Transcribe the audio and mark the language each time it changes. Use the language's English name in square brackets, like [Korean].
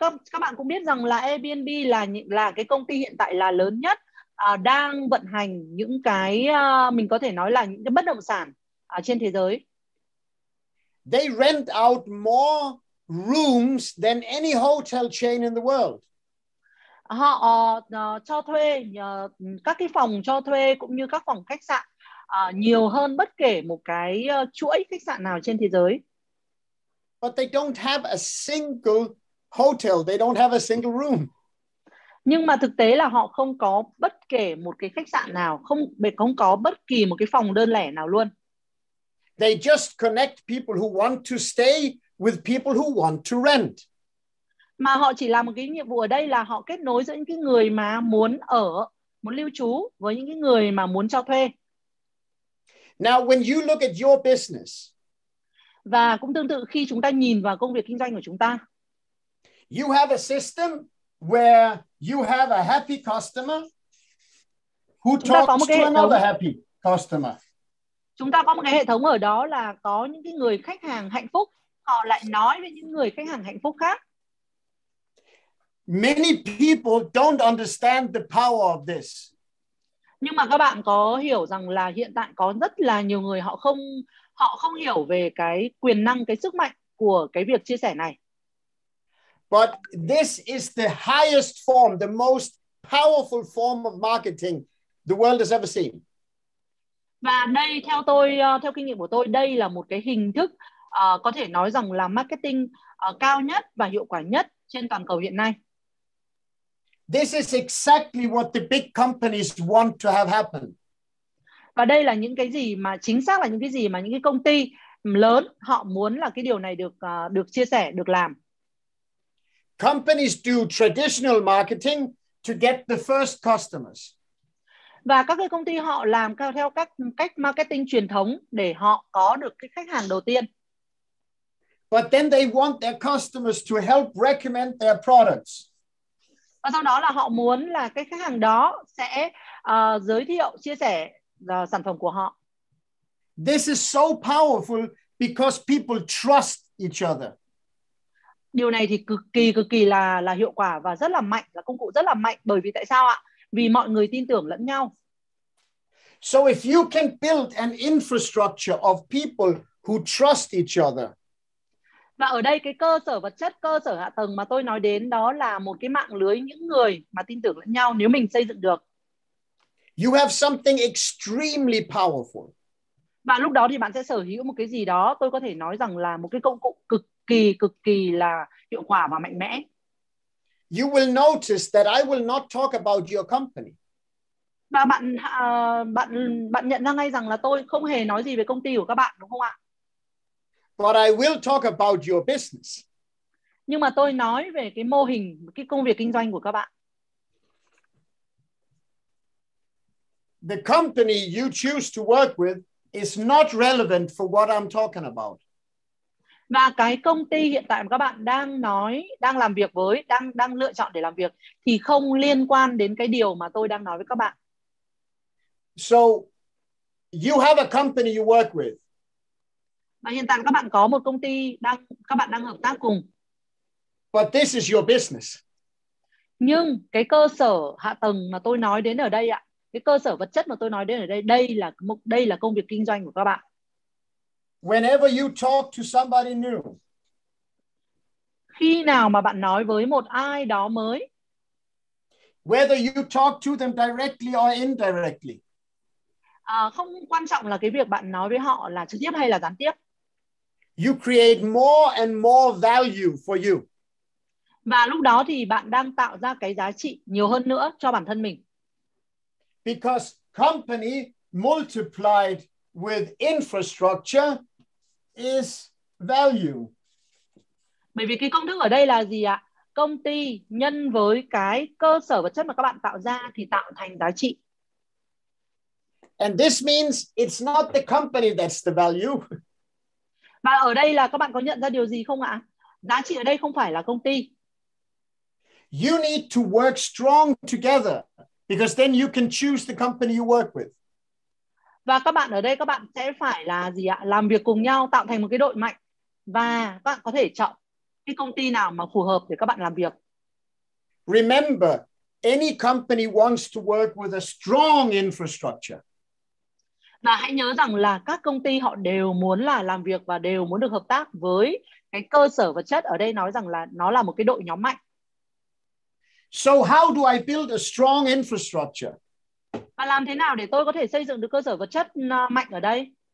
[Vietnamese] Các bạn cũng biết rằng là Airbnb là cái công ty hiện tại là lớn nhất đang vận hành những cái mình có thể nói là những cái bất động sản trên thế giới. [English] They rent out more rooms than any hotel chain in the world. [Vietnamese] Họ cho thuê các cái phòng cho thuê cũng như các phòng khách sạn nhiều hơn bất kể một cái chuỗi khách sạn nào trên thế giới. [English] But they don't have a single hotel. They don't have a single room. [Vietnamese] Nhưng mà thực tế là họ không có bất kể một cái khách sạn nào, không có bất kỳ một cái phòng đơn lẻ nào luôn. [English] They just connect people who want to stay with people who want to rent. [Vietnamese] Mà họ chỉ làm một cái nhiệm vụ ở đây là họ kết nối giữa những cái người mà muốn ở, muốn lưu trú với những cái người mà muốn cho thuê. [English] Now when you look at your business. [Vietnamese] Và cũng tương tự khi chúng ta nhìn vào công việc kinh doanh của chúng ta. [English] You have a system where you have a happy customer who talks to another happy customer. [Vietnamese] Chúng ta có một cái hệ thống ở đó là có những cái người khách hàng hạnh phúc, họ lại nói với những người khách hàng hạnh phúc khác. [English] Many people don't understand the power of this. [Vietnamese] Nhưng mà các bạn có hiểu rằng là hiện tại có rất là nhiều người họ không hiểu về cái quyền năng, cái sức mạnh của cái việc chia sẻ này. [English] But this is the highest form, the most powerful form of marketing the world has ever seen. [Vietnamese] Và đây theo tôi, theo kinh nghiệm của tôi, đây là một cái hình thức có thể nói rằng là marketing cao nhất và hiệu quả nhất trên toàn cầu hiện nay. [English] This is exactly what the big companies want to have happen. [Vietnamese] Và đây là những cái gì mà chính xác là những cái gì mà những cái công ty lớn họ muốn là cái điều này được được chia sẻ, được làm. [English] Companies do traditional marketing to get the first customers. [Vietnamese] Và các cái công ty họ làm theo các cách marketing truyền thống để họ có được cái khách hàng đầu tiên. [English] But then they want their customers to help recommend their products. [Vietnamese] Và sau đó là họ muốn là cái khách hàng đó sẽ giới thiệu, chia sẻ sản phẩm của họ. [English] This is so powerful because people trust each other. [Vietnamese] Điều này thì cực kỳ là hiệu quả và rất là mạnh, là công cụ rất là mạnh. Bởi vì tại sao ạ? Vì mọi người tin tưởng lẫn nhau. [English] So if you can build an infrastructure of people who trust each other. [Vietnamese] Và ở đây cái cơ sở vật chất, cơ sở hạ tầng mà tôi nói đến đó là một cái mạng lưới những người mà tin tưởng lẫn nhau nếu mình xây dựng được. [English] You have something extremely powerful. [Vietnamese] Và lúc đó thì bạn sẽ sở hữu một cái gì đó, tôi có thể nói rằng là một cái công cụ cực kỳ là hiệu quả và mạnh mẽ. [English] You will notice that I will not talk about your company. [Vietnamese] Và bạn bạn nhận ra ngay rằng là tôi không hề nói gì về công ty của các bạn, đúng không ạ? [English] But I will talk about your business. [Vietnamese] Nhưng mà tôi nói về cái mô hình, cái công việc kinh doanh của các bạn. [English] The company you choose to work with is not relevant for what I'm talking about. [Vietnamese] Và cái công ty hiện tại mà các bạn đang nói, đang làm việc với, đang lựa chọn để làm việc thì không liên quan đến cái điều mà tôi đang nói với các bạn. [English] So you have a company you work with. [Vietnamese] Và hiện tại các bạn có một công ty đang các bạn đang hợp tác cùng. [English] But this is your business. [Vietnamese] Nhưng cái cơ sở hạ tầng mà tôi nói đến ở đây ạ, cái cơ sở vật chất mà tôi nói đến ở đây, đây là công việc kinh doanh của các bạn. [English] Whenever you talk to somebody new. [Vietnamese] Khi nào mà bạn nói với một ai đó mới. [English] Whether you talk to them directly or indirectly. [Vietnamese] Không quan trọng là cái việc bạn nói với họ là trực tiếp hay là gián tiếp. [English] You create more and more value for you. [Vietnamese] Và lúc đó thì bạn đang tạo ra cái giá trị nhiều hơn nữa cho bản thân mình. [English] Because company multiplied with infrastructure is value. [Vietnamese] Bởi vì cái công thức ở đây là gì ạ? Công ty nhân với cái cơ sở vật chất mà các bạn tạo ra thì tạo thành giá trị. [English] And this means it's not the company that's the value. [Vietnamese] Và ở đây là các bạn có nhận ra điều gì không ạ? Giá trị ở đây không phải là công ty. [English] You need to work strong together because then you can choose the company you work with. [Vietnamese] Và các bạn ở đây các bạn sẽ phải là gì ạ? Làm việc cùng nhau tạo thành một cái đội mạnh và các bạn có thể chọn cái công ty nào mà phù hợp để các bạn làm việc. [English] Remember, any company wants to work with a strong infrastructure. [Vietnamese] Và hãy nhớ rằng là các công ty họ đều muốn là làm việc và đều muốn được hợp tác với cái cơ sở vật chất. Ở đây nói rằng là nó là một cái đội nhóm mạnh. [English] So how do I build a strong infrastructure? [Vietnamese] Và làm thế nào để tôi có thể xây dựng được cơ sở vật chất mạnh ở đây?